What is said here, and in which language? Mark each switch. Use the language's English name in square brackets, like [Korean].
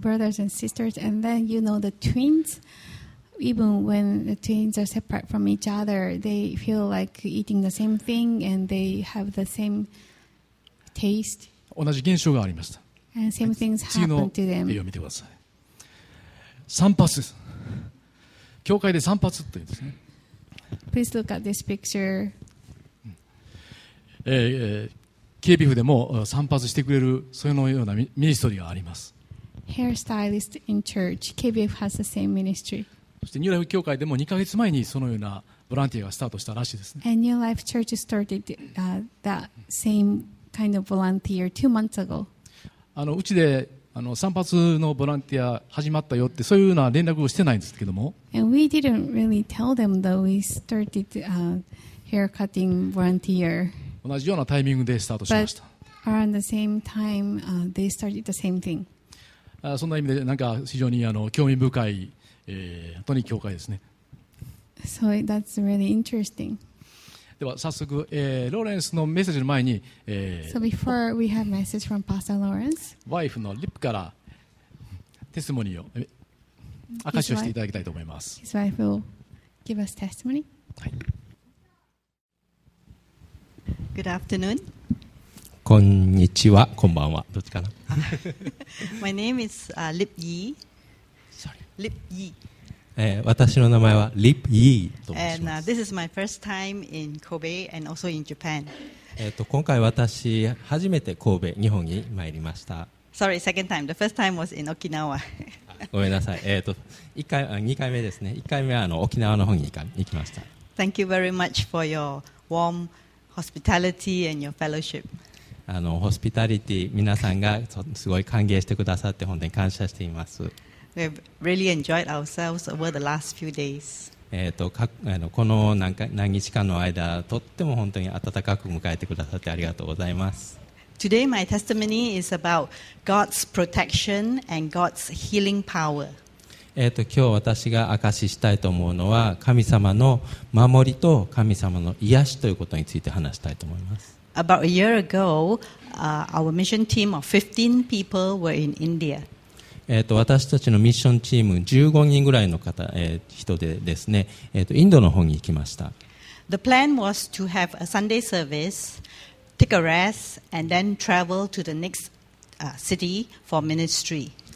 [English] Brothers and sisters, and then you know the twins, even when the twins are separate from each other, they feel like eating the same thing and they have the same taste. [Japanese] 同じ現象がありました。 [English] And same things happen to them. [Japanese] 次の絵を見てください。 散髪です。教会で散髪って言うんですね。 [English] Please look at this picture. [Japanese] KBF でも散髪してくれるそのようなミニストリーがあります。 [English] Hairstylist in church. KBF has the same ministry. [Japanese] そしてニューライフ教会でも2ヶ月前にそのようなボランティアがスタートしたらしいですね。 [English] And New Life Church started that same kind of volunteer 2 months ago. [Japanese] うちで散髪のボランティア始まったよってそういうような連絡をしてないんですけども。 [English] And we didn't really tell them that we started a haircutting volunteer. [Japanese] 同じようなタイミングでスタートしました。 [English] But around the same time, they started the same thing. [Japanese] そんな意味でなんか非常に興味深い、本当に教会ですね。 [English] So that's really interesting. [Japanese] では早速、ローレンスのメッセージの前に、 [English] So before we have message from Pastor Lawrence, [Japanese] ワイフのリップからテスモニーを証しをしていただきたいと思います。 [English] His wife will give us testimony. Good afternoon. [Japanese] こんにちは、こんばんは、どっちかな。 [English] My name is Lip Yee. Sorry. Lip Yee. [Japanese] 私の名前はリップ・イーと申します。 [English] And, this is my first time in Kobe and also in Japan. [Japanese] 今回私初めて神戸、日本に参りました。 [English] Sorry, second time. The first time was in Okinawa. [Japanese] ごめんなさい。 2回目ですね。1回目は沖縄の方に行きました。 [English] Thank you very much for your warm hospitality and your fellowship. [Japanese] ホスピタリティ、皆さんがすごい歓迎してくださって本当に感謝しています。 [English] We have really enjoyed ourselves over the last few days. [Japanese] この何日間の間、とっても本当に温かく迎えてくださってありがとうございます。 [English] Today my testimony is about God's protection and God's healing power. [Japanese] 今日私が証ししたいと思うのは、神様の守りと神様の癒しということについて話したいと思います。 [English] About a year ago, our mission team of 15 people were in India. [Japanese] 私たちのミッションチーム15人ぐらいの方、人でですね、インドの方に行きました。 [English] The plan was to have a Sunday service, take a rest, and then travel to the next city for ministry.